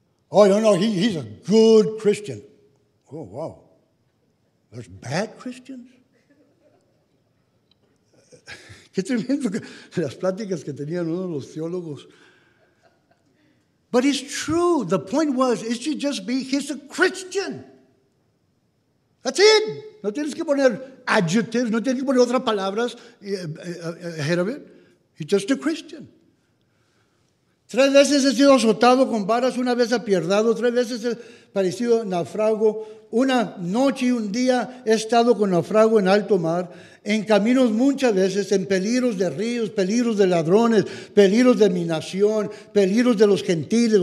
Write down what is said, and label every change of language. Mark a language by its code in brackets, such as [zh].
[en] Oh, no, he's a good Christian. Oh, wow. There's bad Christians? [es] Qué tremendo las pláticas que tenían uno de los teólogos. [en] But it's true. The point was, it should just be, he's a Christian. That's it. [es] No tienes que poner adjectives, no tienes que poner otras palabras [en] ahead of it. He's just a Christian. [es] 3 veces he sido azotado con varas, 1 vez apierdado, 3 veces he parecido naufrago. Una noche y un día he estado con naufrago en alto mar, en caminos muchas veces, en peligros de ríos, peligros de ladrones, peligros de mi nación, peligros de los gentiles.